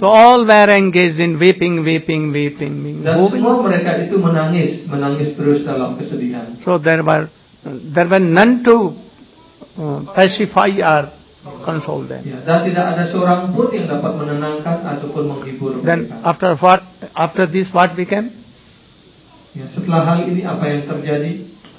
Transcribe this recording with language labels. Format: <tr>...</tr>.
<en>So all were engaged in weeping.</en> <id>Dan semua mereka itu menangis terus dalam kesedihan.</id> <en>So there were none to pacify or console them.</en> <id>Ya, dan tidak ada seorang pun yang dapat menenangkan ataupun menghibur mereka.</id> <en>Then after this what became?</en> <id>Ya, setelah hal ini apa yang terjadi?</id>